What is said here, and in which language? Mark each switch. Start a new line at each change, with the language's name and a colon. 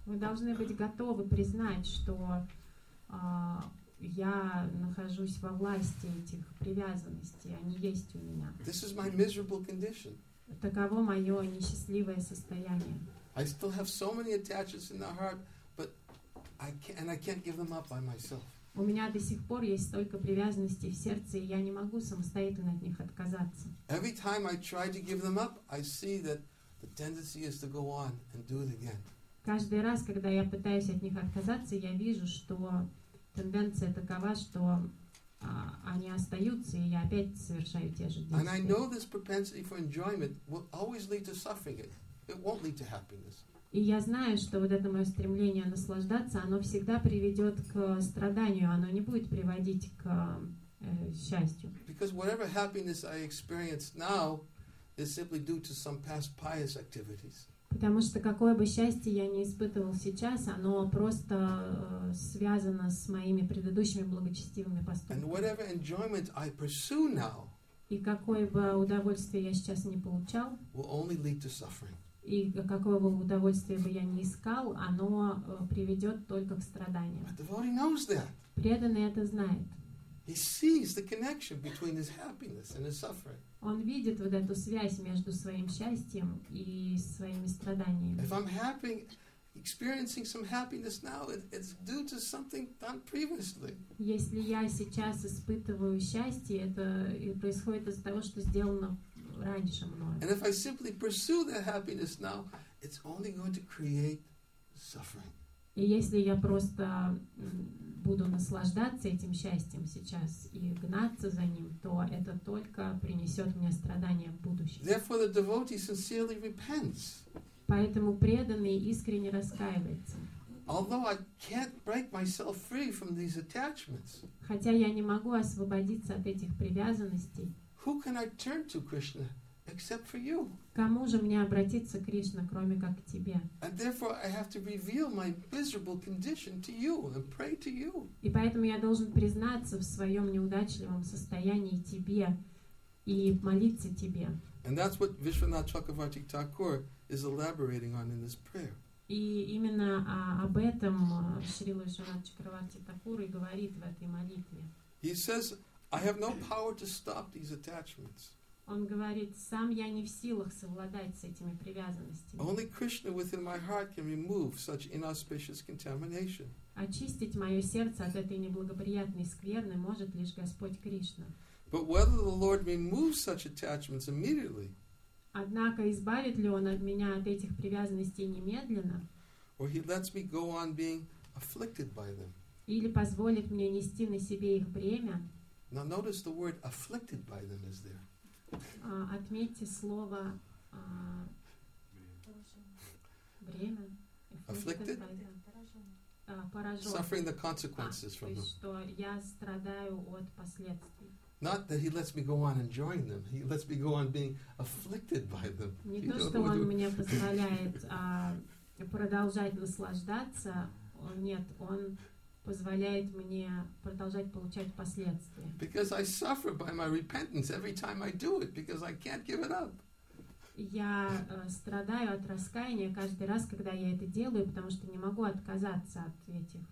Russian: Мы должны быть готовы признать, что я нахожусь во власти этих привязанностей. Они есть у меня.
English: This is my miserable condition.
Russian: Таково мое несчастливое состояние.
English: I still have so many attachments in the heart, but I can't give them up by myself.
Russian: У меня до сих пор есть столько привязанностей в сердце, и я не могу самостоятельно от них отказаться.
English: Every time I try to give them up, I see that the tendency is to go on and do it again.
Russian: Каждый раз, когда я пытаюсь от них отказаться, я вижу, что тенденция такова, что они остаются, и я опять совершаю те же действия.
English: And I know this propensity for enjoyment will always lead to suffering. It won't lead to happiness.
Russian: И я знаю, что вот это мое стремление наслаждаться, оно всегда приведет к страданию, оно не будет приводить к счастью.
English: Because whatever happiness I experience now is simply due to some past pious activities.
Russian: Потому что какое бы счастье я не испытывал сейчас, оно просто связано с моими предыдущими благочестивыми поступками.
English: And whatever enjoyment I pursue now,
Russian: и какое бы удовольствие я сейчас не получал,
English: will only lead to suffering.
Russian: И какого бы удовольствия бы я ни искал, оно приведет только к страданиям.
English: But the devotee knows that.
Russian: Преданный это знает.
English: He sees the connection between his happiness and his suffering.
Russian: Он видит вот эту связь между своим счастьем и своими страданиями.
English: If I'm happy, experiencing some happiness now, it's due to something done previously.
Russian: Если я сейчас испытываю счастье, это происходит из-за того, что сделано.
English: And if I simply pursue that happiness now, it's only going to create suffering.
Russian: И если я просто буду наслаждаться этим счастьем сейчас и гнаться за ним, то это только принесет мне страдания в будущем.
English: Therefore, the devotee sincerely repents.
Russian: Поэтому преданный искренне раскаивается.
English: Although I can't break myself free from these attachments.
Russian: Хотя я не могу освободиться от этих привязанностей.
English: Who can I turn to, Krishna, except for you?
Russian: Кому же мне обратиться, Кришна, кроме как к тебе?
English: And therefore, I have to reveal my miserable condition to you and pray to you.
Russian: И поэтому я должен признаться в своем неудачливом состоянии тебе и молиться тебе.
English: And that's what Vishwanath Chakravarti Thakur is elaborating on in this prayer.
Russian: И именно об этом Шрила Вишванат Чакраварти Такур и говорит в этой молитве.
English: He says, I have no power to stop these attachments.
Russian: Он говорит, сам я не в силах совладать с этими привязанностями.
English: Only Krishna within my heart can remove such inauspicious contamination.
Russian: Очистить мое сердце от этой неблагоприятной скверны может лишь Господь Кришна.
English: But whether the Lord removes such attachments immediately,
Russian: однако избавит ли Он от меня от этих привязанностей немедленно,
English: or He lets me go on being afflicted by them,
Russian: или позволит мне нести на себе их бремя.
English: Now notice the word afflicted by them is there.
Russian: Отметьте слово бремя.
English: Afflicted?
Russian: Поражен.
English: Suffering the consequences from them.
Russian: Что я страдаю от последствий.
English: Not that he lets me go on enjoying them. He lets me go on being afflicted by them.
Russian: Не то, что он мне позволяет продолжать наслаждаться. Нет, он позволяет мне продолжать получать последствия.
English: Because I suffer by my repentance every time I do it, because I can't give it up.
Russian: Я страдаю от раскаяния каждый раз, когда я это делаю, потому что не могу отказаться от этих.